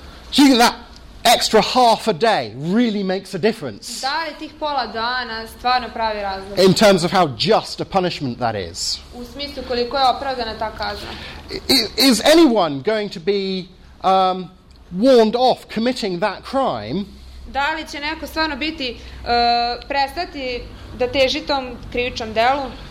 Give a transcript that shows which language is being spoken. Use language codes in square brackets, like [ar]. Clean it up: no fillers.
[en] Do you think that extra half a day really makes a difference? [sr] Da li tih pola dana stvarno pravi razlog? [en] In terms of how just a punishment that is. [sr] U smislu koliko je opravdana ta kazna. [en] Is anyone going to be warned off committing that crime? [sr] Da li će neko stvarno biti prestati da teži tom krivičnom delu?